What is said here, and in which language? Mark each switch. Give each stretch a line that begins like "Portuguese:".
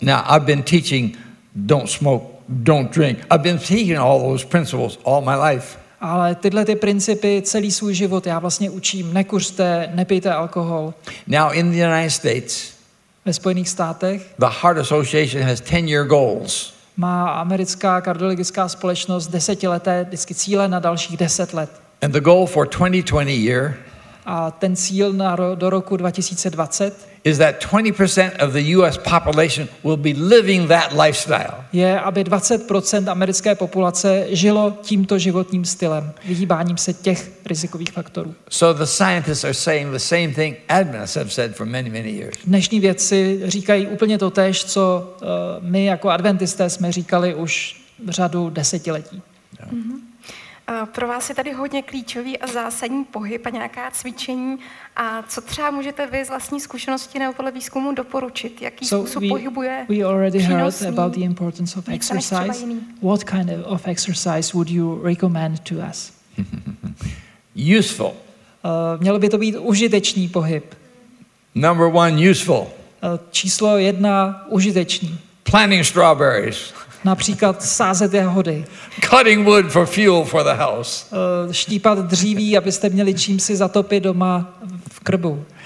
English: Now I've been teaching don't smoke, don't drink. I've been teaching all those principles all my life.
Czech: Ale tyhle ty principy celý svůj život já vlastně učím. Nekuřte, nepijte alkohol.
English: Now in the United States,
Czech: ve Spojených státech,
English: the Heart Association has 10-year goals.
Czech: Má americká kardiologická společnost desetileté vždycky cíle na dalších 10 let.
English: And the goal for 2020 year,
Czech: a ten cíl na do roku 2020,
English: is that 20% of the US population will be living that lifestyle.
Czech: Je, aby 20% americké populace žilo tímto životním stylem, vyhýbáním se těch rizikových faktorů.
English: So the scientists are saying the same thing adventists have said for many, many years.
Czech: Dnešní vědci říkají úplně to též, co my jako adventisté jsme říkali už řadu desetiletí. Pro vás je tady hodně klíčový a zásadní pohyb a nějaká cvičení. A co třeba můžete vy z vlastní zkušenosti nebo podle výzkumu doporučit? Jaký způsob pohybu je přínosný?
English: We already heard about the importance of exercise. What kind of exercise would you recommend to us? Useful.
Czech: Mělo by to být užitečný pohyb.
English: Number one, useful.
Czech: Číslo jedna, užitečný.
English: Planting strawberries.
Czech: Například sázet jahody.
English: Cutting wood for fuel for the house.
Czech: Štípat dříví, abyste měli čím si zatopit doma v krbu.